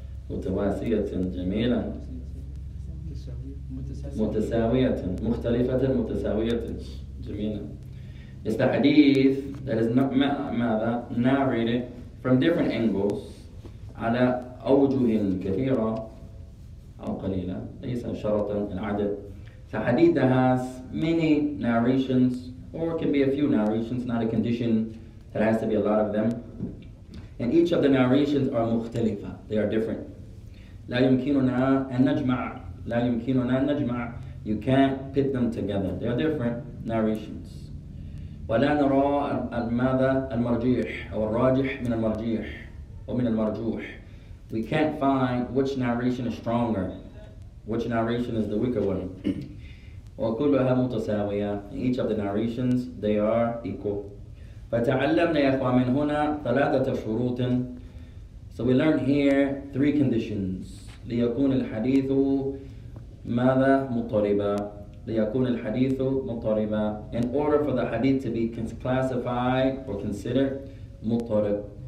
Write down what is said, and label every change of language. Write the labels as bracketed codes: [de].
[ar] مُتَوَاسِيَةٍ جَمِيلًا [en] It's the hadith that is narrated from different angles [ar] على أوجه كثيرة أو قليلة ليس شرطا العدد. [en] It's a hadith that has many narrations or can be a few narrations, not a condition that has to be a lot of them. And each of the narrations are مختلفة. They are different. [ar] لا يمكننا أن نجمع. لا يمكننا أن نجمع. [en] You can't pit them together. They are different narrations. [ar] ولا نرى ماذا المرجح أو الراجح من المرجح أو من المرجوح. [en] We can't find which narration is stronger, which narration is the weaker one. [ar] وكلها متساوية. [en] In each of the narrations, they are equal. [ar] فتعلمنا يا إخوان من هنا ثلاثة شروط. [en] So we learn here three conditions. [ar] ليكون الحديث ماذا مضطربا. ليكون الحديث مضطربا. [en] In order for the hadith to be classified or considered مضطرب.